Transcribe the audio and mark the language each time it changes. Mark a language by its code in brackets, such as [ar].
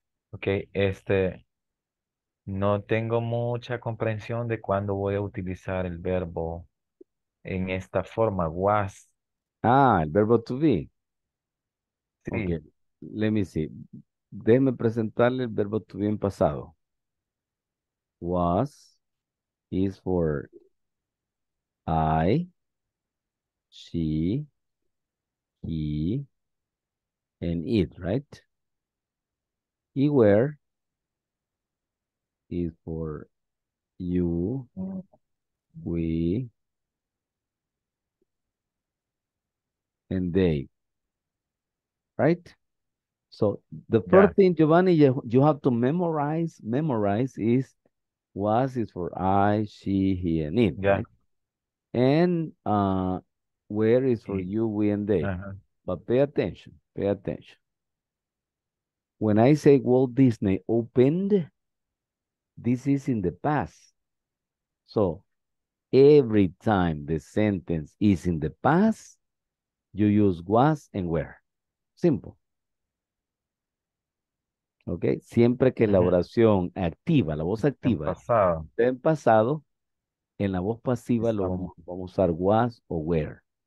[es] Okay, no tengo mucha comprensión de cuándo voy a utilizar el verbo en esta forma, was. Ah, el verbo to be. Sí. [en] Okay, let me see. [es] Déjeme presentarle el verbo to be en pasado. [en] Was is for I, she, he, and it, right? He were is for you, we, and they. Right? So the first thing, Giovanni, you have to memorize is was is for I, she, he, and it. Yeah. Right? And where is for you, we, and they. Uh-huh. But pay attention. When I say Walt Disney opened, this is in the past. So every time the sentence is in the past, you use was and where. Simple. Ok. [es] Siempre que la oración activa, la voz activa, esté en pasado, en la voz pasiva lo vamos a usar was o were.